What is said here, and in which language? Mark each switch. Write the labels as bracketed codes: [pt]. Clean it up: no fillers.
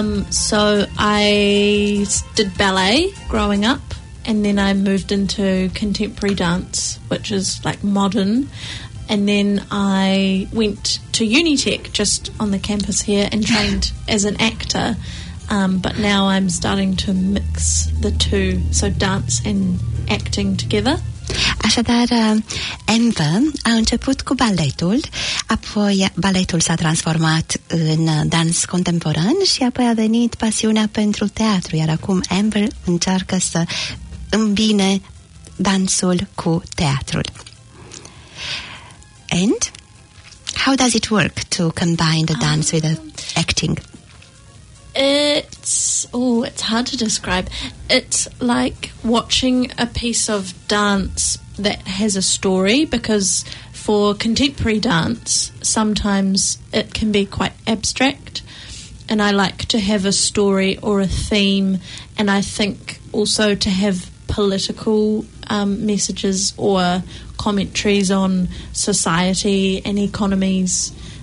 [en] So I did ballet growing up and then I moved into contemporary dance, which is like modern. And then I went to Unitech just on the campus here and trained as an actor. But now I'm starting to mix the two, so dance and acting together. [ro] Așadar, Amber a început cu baletul, apoi baletul s-a transformat în dans contemporan și apoi a venit pasiunea pentru teatru, iar acum Amber încearcă să îmbine dansul cu teatrul. [en] And how does it work to combine the dance with the acting? It's hard to describe. It's like watching a piece of dance that has a story, because for contemporary dance, sometimes it can be quite abstract, and I like to have a story or a theme, and I think also to have political messages or commentaries on society and economies.